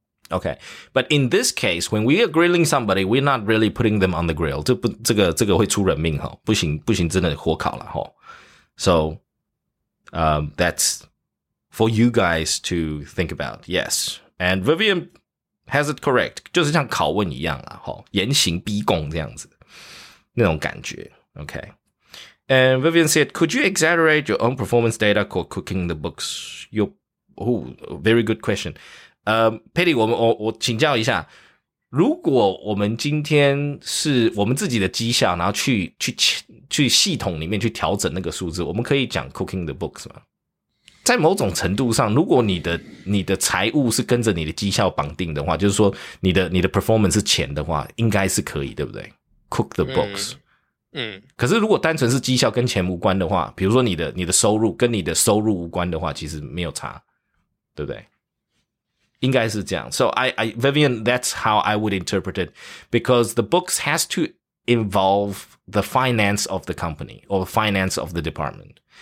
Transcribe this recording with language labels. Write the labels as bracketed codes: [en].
[en] Okay, but in this case, when we are grilling somebody, we're not really putting them on the grill. [zh] 这个会出人命哈，不行不行，真的火烤了哈。 [en] So, that's for you guys to think about. Yes, and Vivian has it correct. [zh] 就是像拷问一样啦哈，严刑逼供这样子那种感觉。 [en] Okay, and Vivian said, could you exaggerate your own performance data for cooking the books? Very good question. [zh] Patty, 我请教一下，如果我们今天是我们自己的绩效，然后去系统里面去调整那个数字，我们可以讲 cooking the books 吗？在某种程度上，如果你的财务是跟着你的绩效绑定的话，就是说你的 performance 是钱的话，应该是可以，对不对 ？Cook the books 嗯。嗯。可是如果单纯是绩效跟钱无关的话，比如说你的收入跟你的收入无关的话，其实没有差，对不对？应该是这样。 [en] So I, Vivian, that's how I would interpret it, because the books has to involve the finance of the company or finance of the department.